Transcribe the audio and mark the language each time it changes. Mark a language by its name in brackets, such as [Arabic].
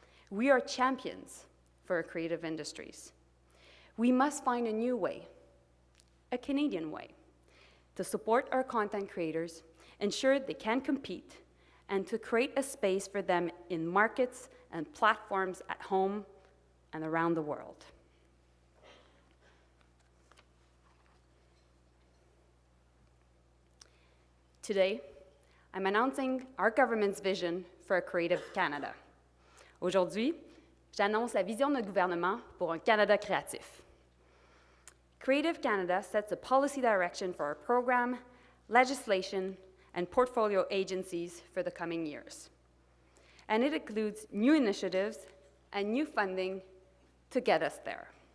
[English] We are champions for creative industries. We must find a new way, a Canadian way, to support our content creators, ensure they can compete, and to create a space for them in markets and platforms at home and around the world. Today, I'm announcing our government's vision for a creative Canada. [French] Aujourd'hui, j'annonce la vision de notre gouvernement pour un Canada créatif. [English] Creative Canada sets a policy direction for our program, legislation, and portfolio agencies for the coming years. And it includes new initiatives and new funding to get us there.